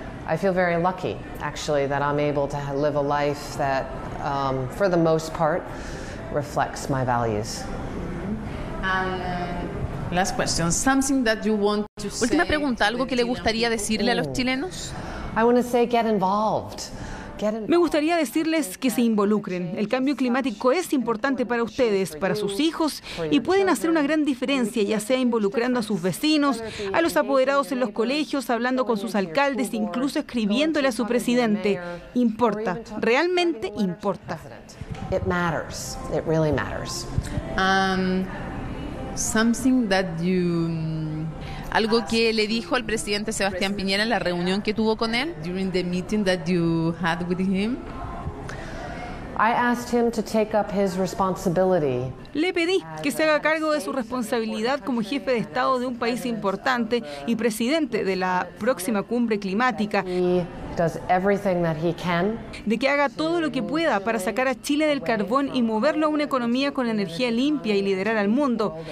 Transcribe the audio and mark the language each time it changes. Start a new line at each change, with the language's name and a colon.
English: I feel very lucky actually that I'm able to live a life that for the most part reflects my values. Last question. Something that you want to say.
Spanish: Última pregunta, algo que le gustaría decirle a los chilenos.
English: I want to say get involved.
Spanish: Me gustaría decirles que se involucren. El cambio climático es importante para ustedes, para sus hijos, y pueden hacer una gran diferencia, ya sea involucrando a sus vecinos, a los apoderados en los colegios, hablando con sus alcaldes, incluso escribiéndole a su presidente. Importa, realmente importa.
English: It matters. It really matters. Something that you...
Spanish: Algo que le dijo al presidente Sebastián Piñera en la reunión que tuvo con él.
English: During the meeting that you had with him. I asked him to take up his responsibility.
Spanish: Le pedí que se haga cargo de su responsabilidad como jefe de Estado de un país importante y presidente de la próxima cumbre climática. De que haga todo lo que pueda para sacar a Chile del carbón y moverlo a una economía con energía limpia y liderar al mundo.